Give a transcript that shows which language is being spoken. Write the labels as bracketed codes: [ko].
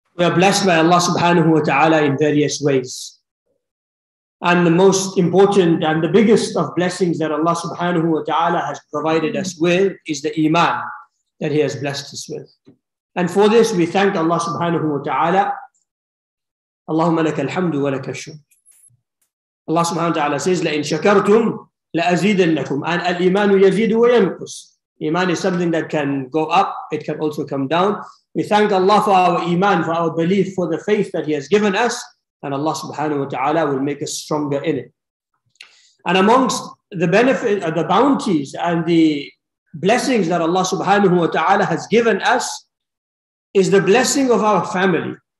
[en] We are blessed by Allah subhanahu wa ta'ala in various ways. And the most important and the biggest of blessings that Allah subhanahu wa ta'ala has provided us with is the iman that He has blessed us with. And for this, we thank Allah subhanahu wa ta'ala. [ar] Allahumma laka alhamdu wa laka shukr. [en] Allah subhanahu wa ta'ala says, [ar] لَإِن شَكَرْتُمْ لَأَزِيدَنَّكُمْ. And الْإِيمَانُ يَزِيدُ وَيَنْقُسْ. [en] Iman is something that can go up, it can also come down. We thank Allah for our iman, for our belief, for the faith that He has given us, and Allah subhanahu wa ta'ala will make us stronger in it. And amongst the benefit, the bounties and the blessings that Allah subhanahu wa ta'ala has given us is the blessing of our family.